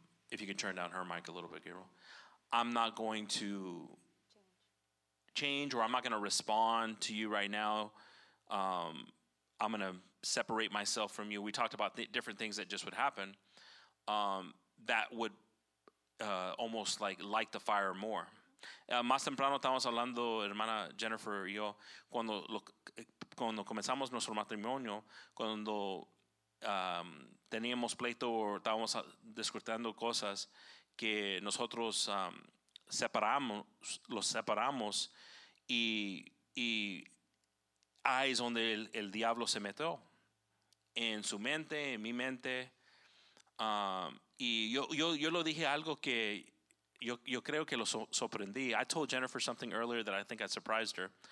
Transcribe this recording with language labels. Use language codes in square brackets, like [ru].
[en] if you could turn down her mic a little bit, Gabriel, I'm not going to change, or I'm not going to respond to you right now. I'm going to separate myself from you. We talked about the different things that just would happen that would almost like light the fire more. [es] Más temprano estábamos hablando, hermana Jennifer y yo, cuando comenzamos nuestro matrimonio, cuando teníamos pleito o estábamos discutiendo cosas que nosotros separamos. Y ahí es donde el diablo se metió en su mente, en mi mente. Y yo lo dije algo que yo creo que lo sorprendí. [en] I told Jennifer something earlier that I think I surprised her.